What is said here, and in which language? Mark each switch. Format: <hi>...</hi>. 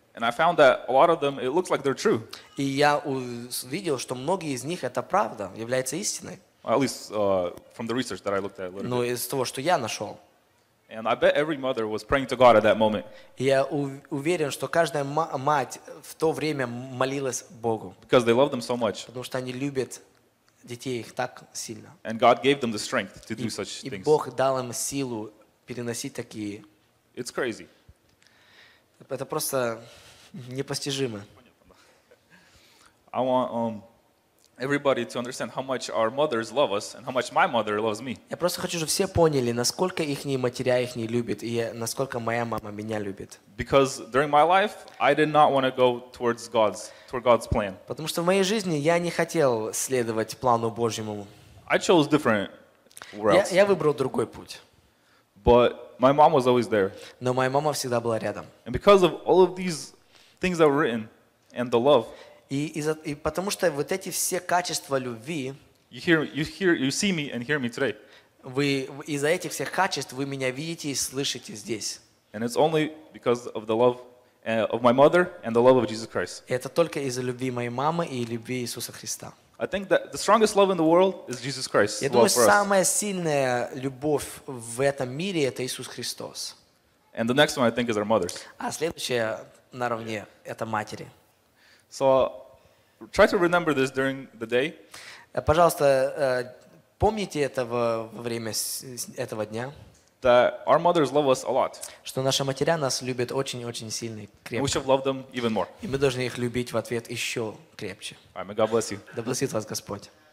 <en>And I found that a lot of them, it looks like they're true.</en> <ru>И я увидел, что многие из них это правда, является истиной.</ru> <en>At least from the research that I looked at.</en> <ru>Ну, из того, что я нашел.</ru> <en>And I bet every mother was praying to God at that moment.</en> <ru>Я уверен, что каждая мать в то время молилась Богу.</ru> <en>Because they love them so much.</en> <ru>Потому что они любят детей их так сильно.</ru> <en>And God gave them the strength to do such things.</en> <ru>И Бог дал им силу переносить такие.</ru> <en>It's crazy.</en> <ru>Это просто непостижимо.</ru> <en>I want everybody to understand how much our mothers love us and how much my mother loves me.</en> <ru>Я просто хочу, чтобы все поняли, насколько ихние матеря их не любит и насколько моя мама меня любит.</ru> <en>Because during my life, I did not want to go toward God's plan.</en> <ru>Потому что в моей жизни я не хотел следовать плану Божьему.</ru> <en>I chose different routes.</en> <ru>Я выбрал другой путь.</ru> <en>But my mom was always there.</en> <ru>Но моя мама всегда была рядом.</ru> <en>And because of all of these things that were written and the love.</en> <ru>И потому что вот эти все качества любви, вы из-за этих всех качеств вы меня видите и слышите здесь.</ru> <en>And it's only because of the love of my mother and the love of Jesus Christ.</en> <ru>Это только из-за любви моей мамы и любви Иисуса Христа.</ru> <en>I think that the strongest love in the world is Jesus Christ.</en> <ru>Я думаю, самая сильная любовь в этом мире это Иисус Христос.</ru> <en>And the next one I think is our mothers.</en> <ru>А следующая наравне это матери.</ru> <en>So try to remember this during the day.</en> <ru>Пожалуйста, помните это во время этого дня.</ru> <en>That our mothers love us a lot.</en> <ru>Что наши матери нас любят очень-очень сильно и крепко.</ru> <en>We should love them even more.</en> <ru>И мы должны их любить в ответ еще крепче.</ru> <en>Amen. God bless you.</en> <ru>Да благословит вас Господь.</ru>